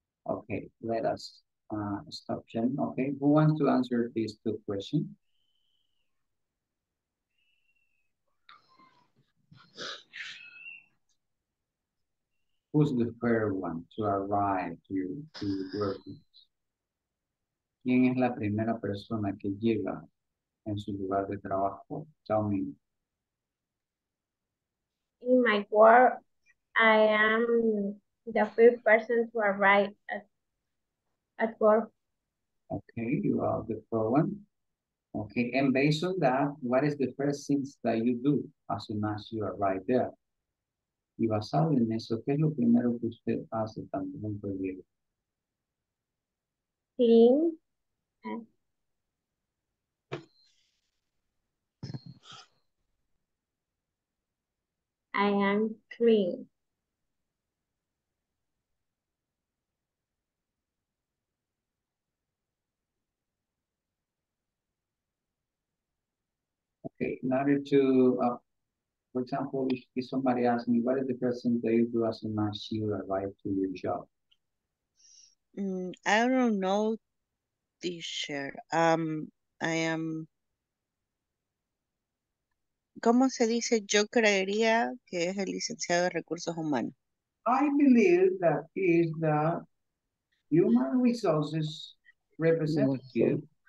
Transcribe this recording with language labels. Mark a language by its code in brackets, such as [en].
[en] Okay, let us stop Jen. Okay, who wants to answer these two questions? Who's the first one to arrive to your workplace? [es] ¿Quién es la primera persona que llega en su lugar de trabajo? [en] Tell me. In my work, I am the first person to arrive at work. Okay, you are the first one. Okay, and based on that, what is the first things that you do as soon as you arrive there? [es] Y basado en eso, ¿qué es lo primero que usted hace también? [en] Clean. Okay. Clean the place. I am clean. Okay, in order to, for example, if somebody asks me, what is the first thing that you do as soon as you arrive to your job? I don't know, teacher. I am, [es] ¿cómo se dice? Yo creería que es el licenciado de recursos humanos. [en] I believe that is the human resources representative.